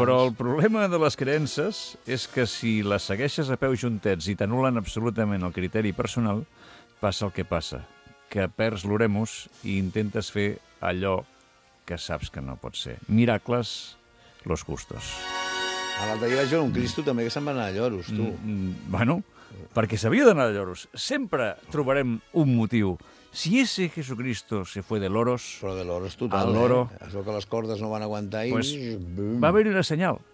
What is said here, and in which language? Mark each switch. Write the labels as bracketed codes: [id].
[ca] Però el problema de les creences és que si les segueixes a peu juntets i t'anulen absolutament el criteri personal, passa el que passa, que perds l'oremus i intentes fer allò que saps que no pot ser. Miracles, [es] los justos. [ca] A l'altre dia vaig veure un Cristo també que se'n va anar a lloros, tu. Bueno, perquè s'havia d'anar a lloros. Sempre trobarem un motiu. [es] Si ese Jesucristo se fue de loros... [ca] Però de loros total, al loro, eh? Això que les cordes no van aguantar i... Pues, va haver-hi una senyal.